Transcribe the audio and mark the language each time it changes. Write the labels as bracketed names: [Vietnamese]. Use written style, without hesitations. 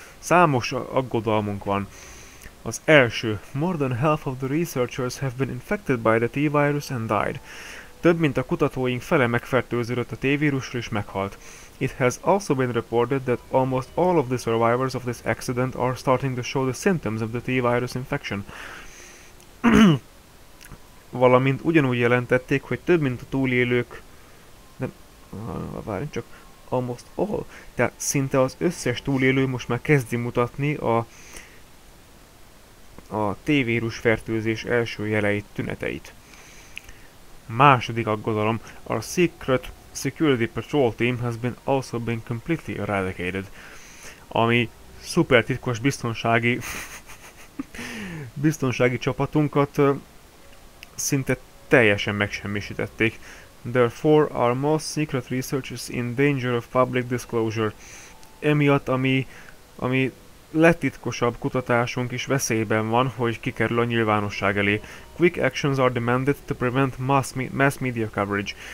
[Hungarian] Számos aggodalmunk van. Az első. [English] More than half of the researchers have been infected by the T-virus and died. [Hungarian] Több mint a kutatóink fele megfertőződött a T-vírusról és meghalt. [English] It has also been reported that almost all of the survivors of this accident are starting to show the symptoms of the T-virus infection. [Hungarian] Valamint ugyanúgy jelentették, hogy több mint a túlélők... De... várjunk csak... [English] Almost all. [Hungarian] Tehát szinte az összes túlélő most már kezdi mutatni a T-vírus fertőzés első jeleit, tüneteit. Második aggodalom. [English] Our secret security patrol team has been also been completely eradicated. [Hungarian] Ami szuper titkos biztonsági... biztonsági csapatunkat szinte teljesen megsemmisítették. [English] Therefore, our most secret research is in danger of public disclosure. [Hungarian] Emiatt, ami legtitkosabb kutatásunk is veszélyben van, hogy kikerül a nyilvánosság elé. [English] Quick actions are demanded to prevent mass media coverage.